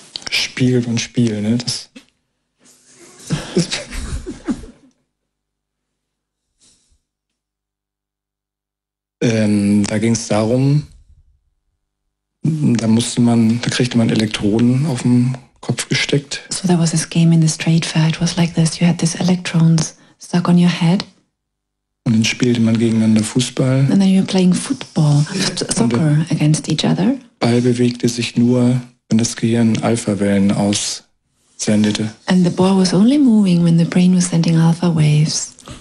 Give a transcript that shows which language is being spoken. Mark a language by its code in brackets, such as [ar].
[de] Spiel von Spiel, ne? Das da ging es darum, da kriegte man Elektroden auf dem Kopf gesteckt. [en] So there was this game in the straight fair. It was like this. You had these electrons stuck on your head. [de] Und dann spielte man gegeneinander Fußball. [en] And then you were playing football, soccer against each other. [de] Ball bewegte sich nur, wenn das Gehirn Alpha-Wellen aussendete. [en] And the ball was only moving when the brain was sending alpha waves.